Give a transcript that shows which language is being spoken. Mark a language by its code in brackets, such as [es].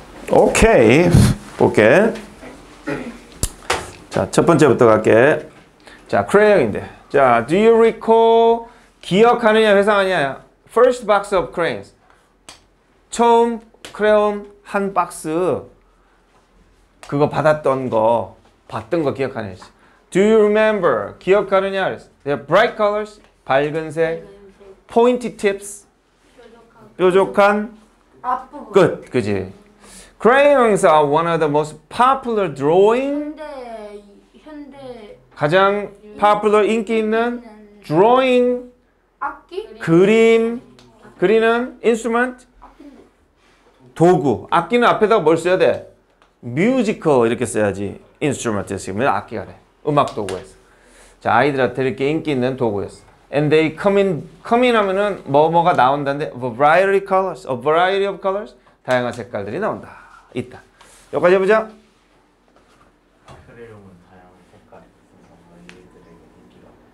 [ko] 오케이, 볼게. 자, 첫 번째부터 갈게. 자, 크레용인데. 자, [en] do you recall, [ko] 기억하느냐 회상하느냐. [en] First box of crayons. [ko] 처음 크레용 한 박스 그거 받았던 거, 봤던 거 기억하느냐. [en] Do you remember, [ko] 기억하느냐. [en] They're bright colors, [ko] 밝은색. [en] Pointy tips, [ko] 뾰족한 끝, 그지. [en] Crayons are one of the most popular drawing. [ko] 현대 가장 popular, 인기 있는 drawing. 악기? 그림. 그리는 instrument. 도구. 악기는 앞에다가 뭘 써야 돼? Musical 이렇게 써야지. Instrument 쓰면 악기가 돼. 음악 도구에서. 자, 아이들한테 이렇게 인기 있는 도구였어. [en] And they come in, come in 하면은 뭐뭐가 나온다는데 variety colors, a variety of colors. [ko] 다양한 색깔들이 나온다. 있다. 여기까지 해보자. 아크릴용은 다양한 색깔이 있어서 아이들에게 인기가.